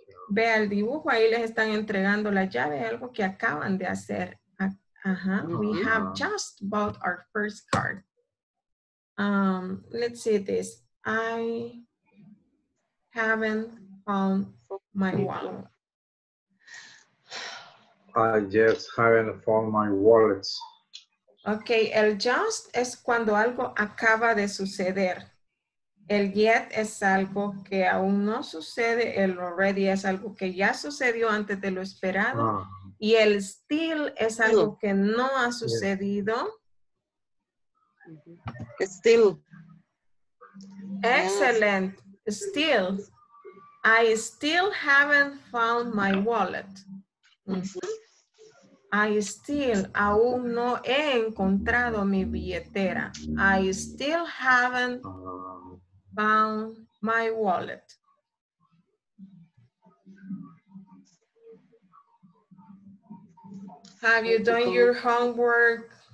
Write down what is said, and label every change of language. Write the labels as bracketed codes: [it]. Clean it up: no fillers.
[es] vea el dibujo, ahí les están entregando la llave, algo que acaban de hacer. [en] We have just bought our first car. Let's see this. I haven't found my wallet. I just haven't found my wallet. [es] Okay, el just es cuando algo acaba de suceder. El yet es algo que aún no sucede. El already es algo que ya sucedió antes de lo esperado. Y el still es algo que no ha sucedido. [en] Still. Excellent. Still. I still haven't found my wallet. I still, [es] aún no he encontrado mi billetera. [en] I still haven't found my wallet. Have you done your homework?